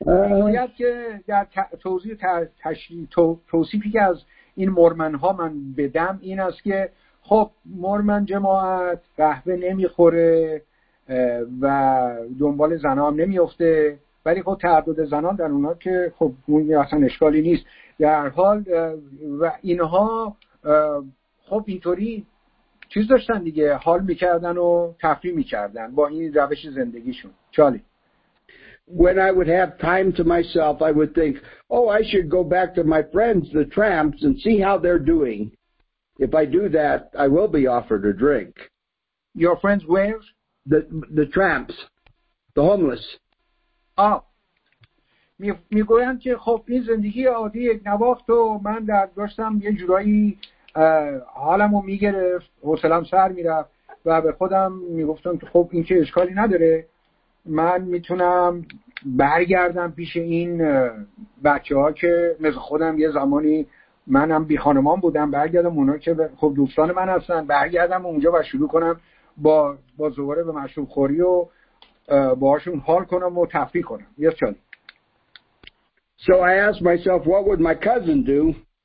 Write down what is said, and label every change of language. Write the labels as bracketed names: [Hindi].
[Persian] باید که در توضیح توصیفی که از این مورمن ها من بدم این است که خب مورمن جماعت قهوه نمیخوره و دنبال زنان هم نمیفته، ولی خب تعدد زنان در اونها که خب اصلا اشکالی نیست در حال، و اینها خب اینطوری چیز داشتن دیگه، حال میکردن و تفریح میکردن با این روش زندگیشون. [English] چالی؟ When I would have time to myself, I would think, oh, I should go back to my friends, the tramps, and see how they're doing. If I do that, I will be offered a drink. Your friends where? The tramps, the homeless. Oh. [Persian] میگویند که خب این زندگی عادی یک نواخت و من در داشتم یه جورایی حالمو میگرفت، حوصله‌ام سر میرفت و به خودم میگفتم که خب این که اشکالی نداره، من میتونم برگردم پیش این بچه ها که مثل خودم یه زمانی منم بی خانمان بودم، برگردم اونا که خب دوستان من هستن، برگردم اونجا و شروع کنم با زوره به مشروب خوری و باهاشون حال کنم و تفریح کنم. [English] یه چالی؟ So I asked myself, what would my cousin do?